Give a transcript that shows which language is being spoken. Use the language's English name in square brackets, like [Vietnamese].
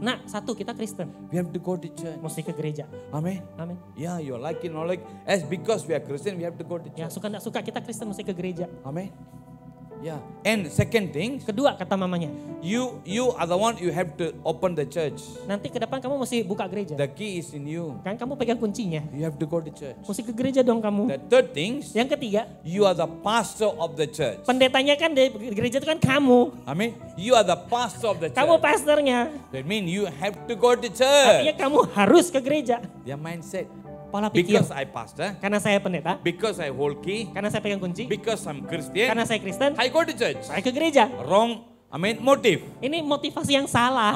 [Indonesian] Nah, satu, kita Kristen. [English] We have to go to church. [Indonesian] Mesti ke gereja. Amen. Amen. [English] Yeah, you like it, not like. As because we are Christian, we have to go to church. [Indonesian] Ya, suka enggak suka, kita Kristen mesti ke gereja. [English] Amen. Yeah. And second thing. [Indonesian] Kedua, kata mamanya. [English] You are the one, you have to open the church. [Indonesian] Nanti ke depan kamu mesti buka gereja. [English] The key is in you. [Indonesian] Kan kamu pegang kuncinya. [English] You have to go to church. [Indonesian] Mesti ke gereja dong kamu. [English] The third thing. [Indonesian] Yang ketiga. [English] You are the pastor of the church. [Indonesian] Pendetanya kan di gereja itu kan kamu. [English] I mean, you are the pastor of the church. [Indonesian] Kamu pasternya. [English] That mean you have to go to church. [Indonesian] Artinya kamu harus ke gereja. [English] Their mindset. [Indonesian] Pola pikir. [English] Because I pastor. [Indonesian] Karena saya pendeta. [English] Because I hold key. [Indonesian] Karena saya pegang kunci. [English] Because I'm Christian. [Indonesian] Karena saya Kristen. [English] I go to church. [Indonesian] Saya ke gereja. [English] Wrong. I mean motive. [Indonesian] Ini motivasi yang salah.